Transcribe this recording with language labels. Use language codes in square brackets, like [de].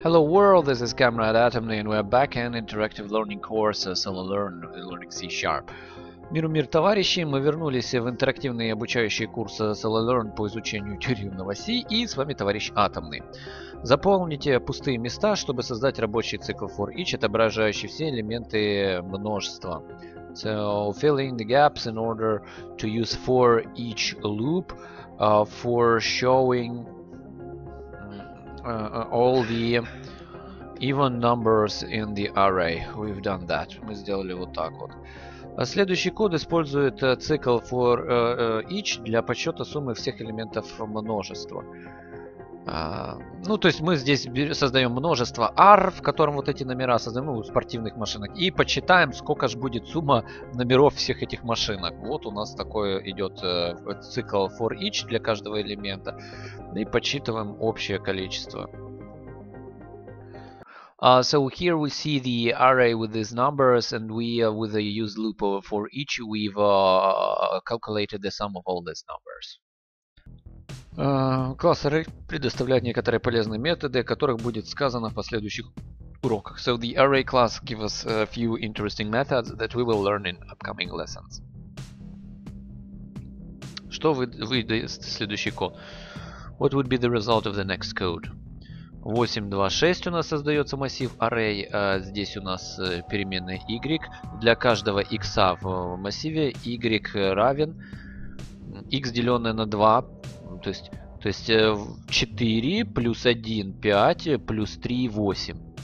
[en] Hello world, this is Comrade Atomly, and we're back in Interactive Learning Course Solo Learn Learning C Sharp. [ru] Миру мир, товарищи, мы вернулись в интерактивный обучающий курс Solo Learn по изучению тюремного C, и с вами товарищ Атомный. Заполните пустые места, чтобы создать рабочий цикл for each, отображающий все элементы множества. [en] So, filling the gaps in order to use for each loop for showing all the even numbers in the array. We've done that. [ru] Мы сделали вот так вот. Следующий код использует цикл for each для подсчета суммы всех элементов множества. Ну, то есть мы здесь создаем множество R, в котором вот эти номера создаем, у спортивных машинок, и подсчитаем, сколько же будет сумма номеров всех этих машинок. Вот у нас такой идет цикл for each для каждого элемента. И подсчитываем общее количество. [en] So here we see the array with these numbers, and we, with the use loop for each, we've calculated the sum of all these numbers. [ru] Класс Array предоставляет некоторые полезные методы, о которых будет сказано в последующих уроках. [en] So the Array class gives us a few interesting methods that we will learn in upcoming lessons. [ru] Что выдаст следующий код? [en] What would be the result of the next code? [ru] 826 у нас создается массив Array, здесь у нас переменная Y. Для каждого X в массиве Y равен X деленное на 2. То есть 4 плюс 1, 5, плюс 3, 8.